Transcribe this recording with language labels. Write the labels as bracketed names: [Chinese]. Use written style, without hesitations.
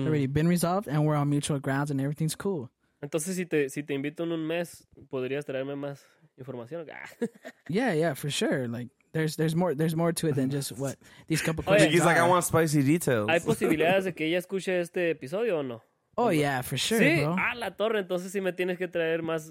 [English] It's already been resolved, and we're on mutual grounds, and everything's cool. [Spanish] Entonces, si te invito en un mes, ¿podrías traerme más información? [English] yeah, for sure, like... There's more to it than just what these couple questions. He's like, I want spicy details. [Spanish] ¿Hay posibilidades de que ella escuche este episodio o no? [English] Oh, yeah, for sure, [Spanish] ¿sí? [English] Bro. [Spanish] Sí, a la torre, entonces sí me tienes que traer más.